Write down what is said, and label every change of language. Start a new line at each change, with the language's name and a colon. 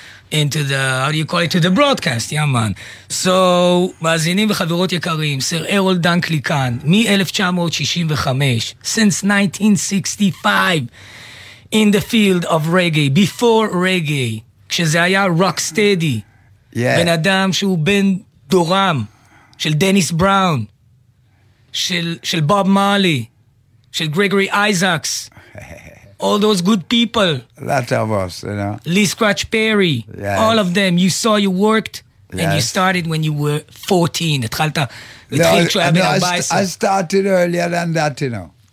English: into the how do you call it, to the broadcast, yeah man. So,
Hebrew: מאזינים וחברות יקרים, סר ארול דנקלי כאן, מ-1965,
English: since 1965, in the field of reggae, before reggae,
Hebrew: כשזה היה
English: rock steady. Yeah.
Hebrew: בן אדם שהוא בן דורם של דניס בראון, של בוב מרלי, של גרגורי אייזקס,
English: all those good people, a lot of us, you know, Lee Scratch Perry, yes. all of them, you saw, you worked, yes. and you started when you were 14. I started earlier than that, you know.